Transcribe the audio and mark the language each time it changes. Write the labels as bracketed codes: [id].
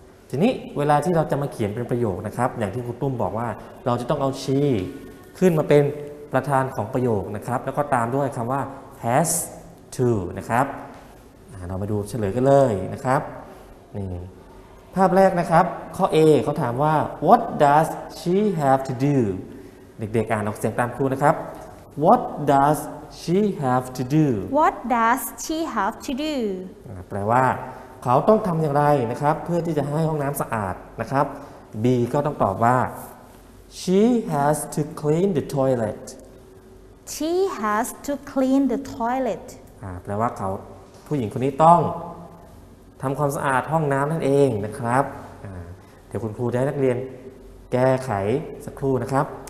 [th] ทีนี้เวลาที่เราจะมาเขียนเป็นประโยคนะครับอย่างที่ครูตุ้มบอกว่าเราจะต้องเอา she ขึ้นมาเป็นประธานของประโยคนะครับแล้วก็ตามด้วยคำว่า has to นะครับเรามาดูเฉลยกันเลยนะครับนี่ภาพแรกนะครับข้อ A เขาถามว่า [en] what does she have to do [th] เด็กๆอ่านออกเสียงตามครูนะครับ what does she have to do [en] what does she have to do [th] แปลว่าเขาต้องทำอย่างไรนะครับเพื่อที่จะให้ห้องน้ำสะอาดนะครับ B ก็ต้องตอบว่า [en] she has to clean the toilet she has to clean the toilet [th] แปลว่าเขาผู้หญิงคนนี้ต้องทำความสะอาดห้องน้ำนั่นเองนะครับเดี๋ยวคุณครูจะให้นักเรียนแก้ไขสักครู่นะครับ